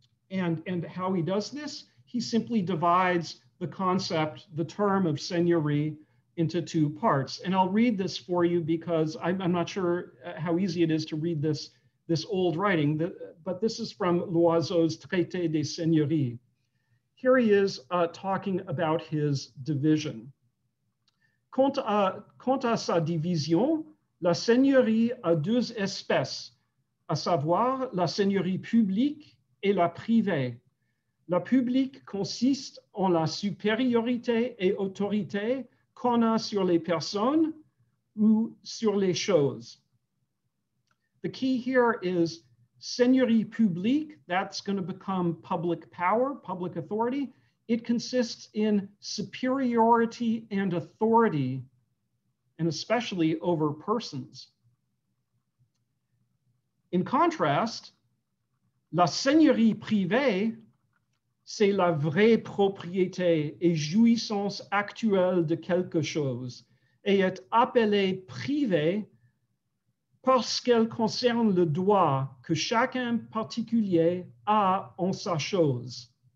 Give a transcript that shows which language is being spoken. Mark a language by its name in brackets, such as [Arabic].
[English] And how he does this, he simply divides the concept, the term of seigneurie, into two parts. And I'll read this for you because I'm not sure how easy it is to read this old writing, but this is from Loiseau's Traité des Seigneuries. Here he is talking about his division. [French] Quant à sa division, la seigneurie a deux espèces, à savoir la seigneurie publique et la privée. La publique consiste en la supériorité et autorité qu'on a sur les personnes ou sur les choses. [English] The key here is seigneurie publique, that's going to become public power, public authority. It consists in superiority and authority, and especially over persons. In contrast, [French] la seigneurie privée, c'est la vraie propriété et jouissance actuelle de quelque chose, et est appelée privée parce qu'elle concerne le droit que chacun particulier a en sa chose.